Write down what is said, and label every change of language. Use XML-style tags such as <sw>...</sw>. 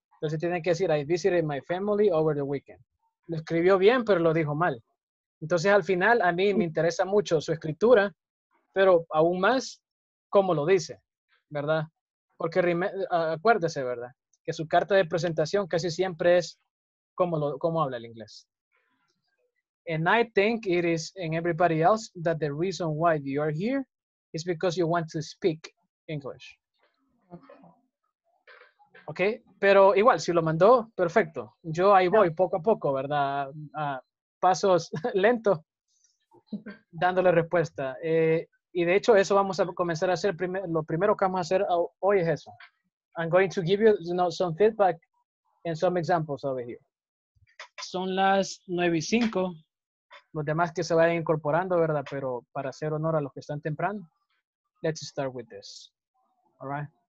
<es>Entonces, tiene que decir,</es> <en>I visited my family over the weekend.</en> <es>Lo escribió bien, pero lo dijo mal. Entonces, al final, a mí me interesa mucho su escritura, pero aún más, cómo lo dice, ¿verdad? Porque acuérdese, ¿verdad? Que su carta de presentación casi siempre es cómo habla el inglés.</es> <en>And I think it is, and everybody else, that the reason why you are here is because you want to speak English.</en> <es>Ok, pero igual, si lo mandó, perfecto. Yo ahí voy, poco a poco, ¿verdad? A pasos lentos, dándole respuesta. Y de hecho, eso vamos a comenzar a hacer. Lo primero que vamos a hacer hoy es eso.</es> <en>I'm going to give you know, some feedback and some examples over here.</en> <es>Son las 9:05. Los demás que se vayan incorporando, ¿verdad? Pero para hacer honor a los que están temprano,</es> <en>let's start with this. All right.</en>